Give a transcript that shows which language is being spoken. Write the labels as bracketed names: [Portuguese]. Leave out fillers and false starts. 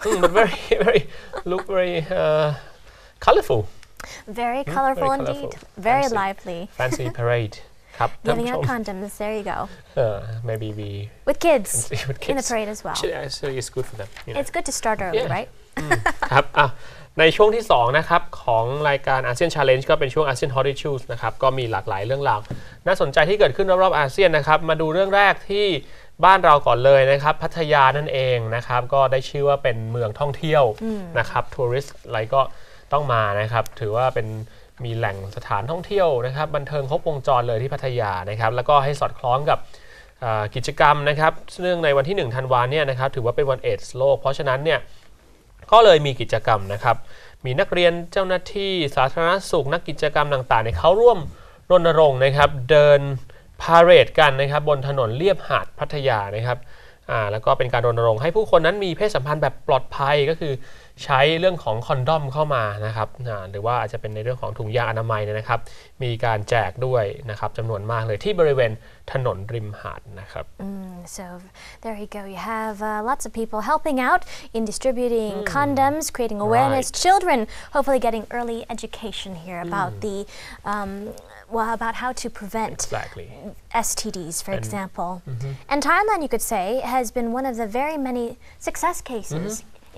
[English] But colorful. Very colorful indeed. Very lively. Fancy parade. Cup. Giving out condoms. There you go. Maybe we with kids. With kids in the parade as well. So it's good for them. You know. It's good to start early, yeah. right? [Thai] ครับ ในช่วงที่2นะครับของรายการ ASEAN Challenge ก็เป็นช่วง ASEAN Hot Issues นะครับก็มีหลากหลายเรื่องราวน่าสนใจที่เกิดขึ้นรอบๆอาเซียนนะครับมาดูเรื่องแรกที่บ้านเราก่อนเลยนะครับพัทยานั่นเองนะครับก็ได้ชื่อว่าเป็นเมืองท่องเที่ยวนะครับทัวริสต์อะไรก็ต้องมานะครับถือว่าเป็นมีแหล่งสถานท่องเที่ยวนะครับบันเทิงครบวงจรเลยที่พัทยานะครับแล้วก็ให้สอดคล้องกับ กิจกรรมนะครับเนื่องในวันที่1ธันวาเนี่ยนะครับถือว่าเป็นวันเอดส์โลกเพราะฉะนั้นเนี่ยก็เลยมีกิจกรรมนะครับมีนักเรียนเจ้าหน้าที่สาธารณสุขนักกิจกรรมต่างๆเข้าร่วมรณรงค์นะครับเดินพาเรดกันนะครับบนถนนเลียบหาดพัทยานะครับ แล้วก็เป็นการรณรงค์ให้ผู้คนนั้นมีเพศสัมพันธ์แบบปลอดภัยก็คือใช้เรื่องของคอนดอมเข้ามานะครับหรือว่าอาจจะเป็นในเรื่องของถุงยางอนามัยนะครับมีการแจกด้วยนะครับจำนวนมากเลยที่บริเวณถนนริมหาดนะครับ [English] So there you go you have lots of people helping out in distributing condoms creating awareness right. children hopefully getting early education here about the Well, about how to prevent exactly. STDs, for example. Mm-hmm. And Thailand, you could say, has been one of the very many success cases mm-hmm.